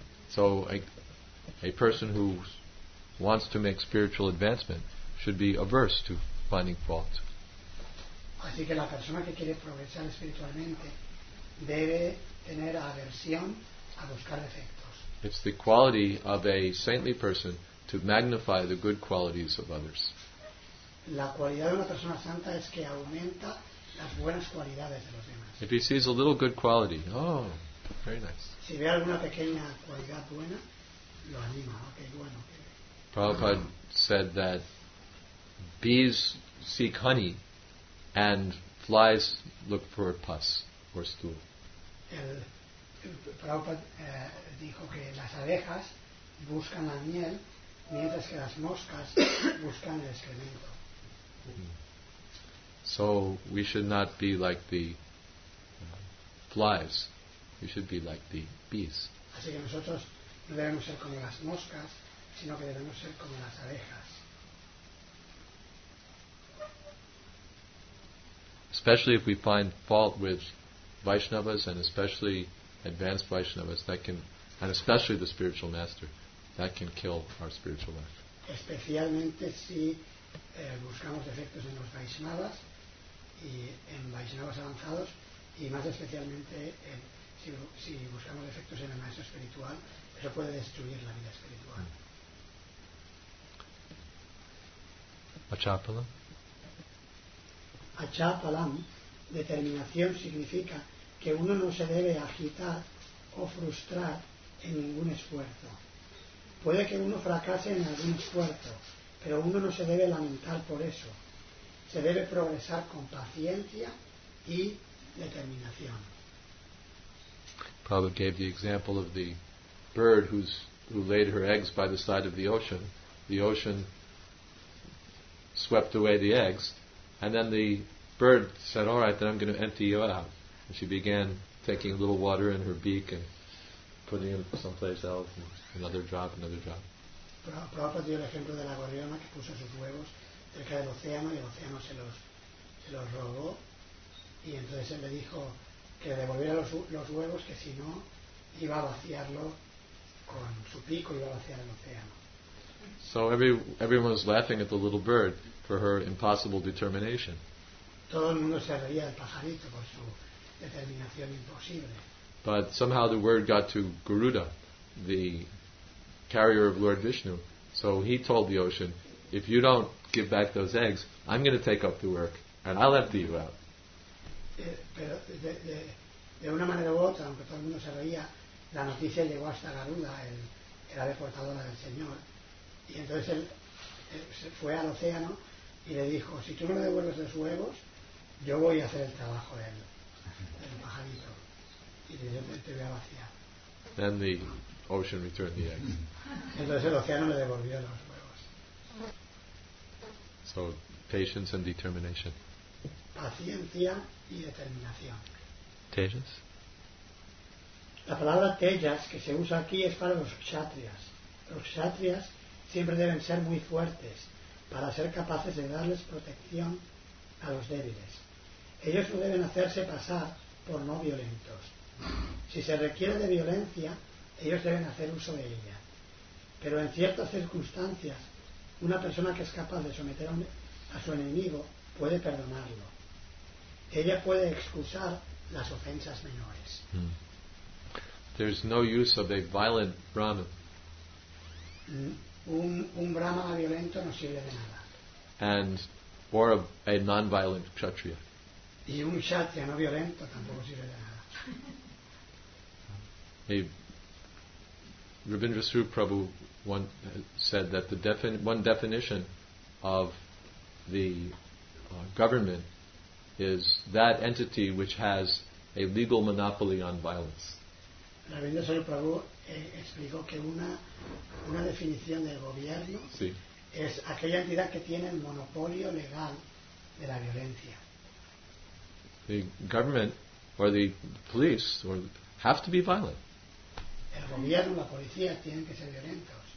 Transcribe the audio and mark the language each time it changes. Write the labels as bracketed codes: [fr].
[en] So a person who wants to make spiritual advancement should be averse to finding fault. [es] Así que la persona que quiere progresar espiritualmente debe tener aversión a buscar defectos. [en] It's the quality of a saintly person to magnify the good qualities of others. [es] La cualidad de una persona santa es que aumenta las buenas cualidades de los demás. [en] If he sees a little good quality, oh, very nice. [es] Si ve alguna pequeña cualidad buena, lo anima. Okay, bueno, okay. [en] Prabhupada said that bees seek honey and flies look for pus or stool. [es] Prabhupada dijo que las abejas buscan la miel mientras que las moscas buscan el excremento. [en] So we should not be like the flies, we should be like the bees. [es] Así que nosotros no debemos ser como las moscas, sino que debemos ser como las abejas. [en] Especially if we find fault with Vaishnavas, and especially advanced Vaishnavas, that can, and especially the spiritual master, that can kill our spiritual life. [es] Especialmente si buscamos defectos en los Vaishnavas y en Vaishnavas avanzados, y más especialmente si buscamos defectos en el maestro espiritual, eso puede destruir la vida espiritual. [sa] Achapalam. [es] Achapalam, determinación, significa que uno no se debe agitar o frustrar en ningún esfuerzo. Puede que uno fracase en algún esfuerzo, pero uno no se debe lamentar por eso. Se debe progresar con paciencia y determinación. [en] Prabhupada gave the example of the bird who laid her eggs by the side of the ocean. The ocean swept away the eggs, and then the bird said, "All right, then I'm going to empty you out." And she began taking a little water in her beak and putting it someplace else, and another drop. [es] Prabhupada dio el ejemplo de la gorriona que puso sus huevos cerca del océano y el océano se los robó, y entonces él le dijo que devolviera los huevos, que si no iba a vaciarlo con su pico, iba a vaciar el océano. [en] So everyone was laughing at the little bird for her impossible determination. [es] Todo el mundo se reía del pajarito por su determinación imposible. [en] But somehow the word got to Garuda, the carrier of Lord Vishnu. So he told the ocean, if you don't give back those eggs, I'm going to take up the work and I'll empty you out. [es] Pero De una manera u otra, aunque todo el mundo se reía, la noticia llegó hasta Garuda, el ave portadora del Señor. Y entonces él se fue al océano y le dijo, si tú no le devuelves los huevos, yo voy a hacer el trabajo de él, del pajarito. Y le dijo, te voy a vaciar. [en] Then the ocean returned the eggs. [es] Entonces el océano le devolvió los huevos. [en] So, patience and determination. [es] Paciencia y determinación. [sa] Tejas. [es] La palabra tejas que se usa aquí es para los kshatrias. Los kshatrias siempre deben ser muy fuertes para ser capaces de darles protección a los débiles. Ellos no deben hacerse pasar por no violentos. Si se requiere de violencia, ellos deben hacer uso de ella. Pero en ciertas circunstancias, una persona que es capaz de someter a su enemigo puede perdonarlo. Ella puede excusar las ofensas menores. Hmm. [en] There's no use of a violent brahman. [es] Un brahmana violento no sirve de nada. [en] And or a non-violent kshatriya. [es] Y un kshatriya no violento tampoco sirve de nada. [en] Rabindrasrupa Prabhu said that one definition of the government is that entity which has a legal monopoly on violence. [es] Rabindrasrupa Prabhu explicó que una definición del gobierno sí. es aquella entidad que tiene el monopolio legal de la violencia. [en] The government or the police or have to be violent. [es] El gobierno, la policía tienen que ser violentos.